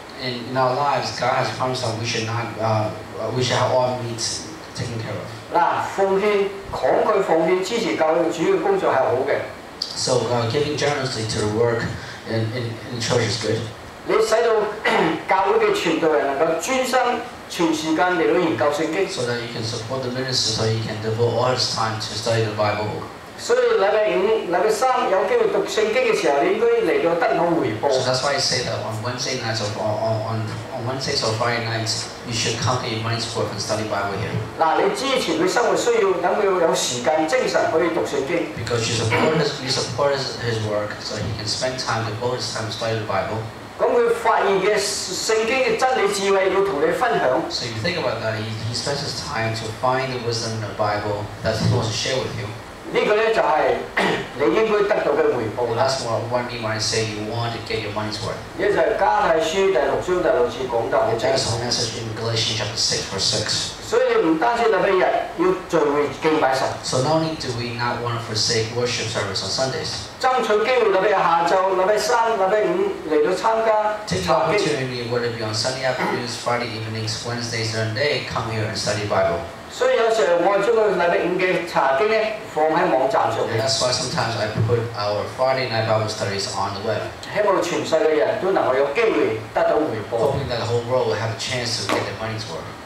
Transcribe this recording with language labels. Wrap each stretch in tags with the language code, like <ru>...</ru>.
<en>In our lives, God has promised that we should have all needs taken care of.</en> <yue>嗱，奉獻，慷慨奉獻，支持教會主要工作係好嘅。</yue> <en>So giving generously to the work in church is good.</en> <yue>你使到教会嘅全道人能够专心全时间嚟到研究圣经。</yue> <en>So that you can support the minister, so he can devote all his time to study the Bible.</en> <yue>所以礼拜五、礼拜三有机会读圣经嘅时候，你应该嚟到得到回报。</yue> <en>So that's why I say that on Wednesday nights or on Wednesdays or Friday nights, you should come to Emmanuel's Court and study Bible here.</en> <yue>嗱，你之前佢生活需要，等佢有时间精神可以读圣经。</yue> <en>Because he supports his work, so he can spend time, devote his time to study the Bible.</en> <yue>咁佢發現嘅聖經嘅真理智慧要同你分享。</yue> <en>So you think about that, he spends his time to find the wisdom in the Bible that he wants to share with you.</en> <yue>呢個咧就係你應該得到嘅回報。</yue> <en>That's what I mean when I say you want to get your money's worth.</en> <yue>呢就係加泰書第六章第六節講到嘅。</yue> <en>Galatians chapter 6 verse 6.</en> <yue>所以你唔單止禮拜日要聚會敬拜神。</yue> <en>So not only do we not want to forsake worship service on Sundays.</en> <yue>爭取機會禮拜下晝、禮拜三、禮拜五嚟到參加。</yue> <en>Take the opportunity, whether it be on Sunday afternoons, Friday evenings, Wednesdays during the day, come here and study Bible.</en> <yue>所以有時候我將個禮拜五嘅查經咧放喺網站上面。</yue> <en>That's why sometimes I put our Friday night Bible studies on the web.</en> <yue>希望全世界人都能夠有機會得到回報。</yue> <en>Hoping that the whole world will have a chance to get their money's worth.</en>